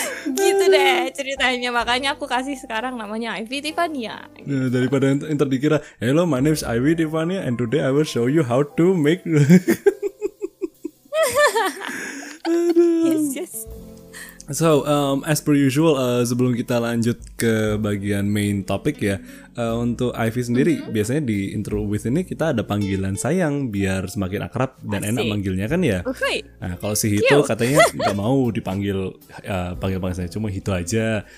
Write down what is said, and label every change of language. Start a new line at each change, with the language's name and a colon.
Indonesian: Gitu deh ceritanya. Makanya aku kasih sekarang namanya Ivy Tivania gitu. Ya, daripada ntar dikira,
English: hello my name is Ivy Tivania and today I will show you how to make. Yes. So, as per usual,
Indonesian: sebelum kita lanjut ke bagian main topic ya, untuk Ivy sendiri, biasanya di intro with ini kita ada panggilan sayang biar semakin akrab dan enak manggilnya kan ya. Nah, kalau si Hito katanya gak mau dipanggil panggil sayang, cuma Hito aja.